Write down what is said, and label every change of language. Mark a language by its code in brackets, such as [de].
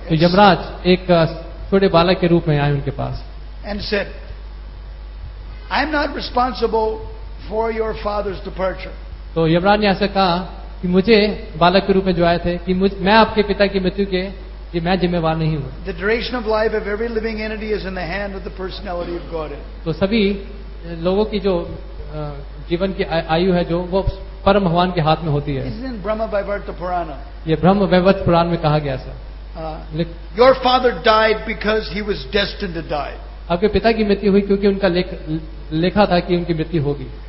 [hi] तो यमराज एक छोटे बालक के रूप में आए उनके पास. [en] And said, I am not responsible for your father's departure. [hi] तो यमराज ने ऐसा कहा कि मुझे बालक के रूप में जो आए थे कि मैं आपके पिता की मृत्यु के कि मैं जिम्मेवार नहीं हूं. [en] The duration of life of every living entity is in the hand of the personality of Godhead. [hi] तो सभी लोगों की जो जीवन की आयु है जो वो परम भगवान के हाथ में होती है. [en] This is in Brahma Vaivarta Purana. [hi] ये ब्रह्म वैवर्त पुराण में कहा गया sir. [en] Your father died because he was destined to die. [hi] आपके पिता की मृत्यु हुई क्योंकि उनका लिखा था कि उनकी मृत्यु होगी.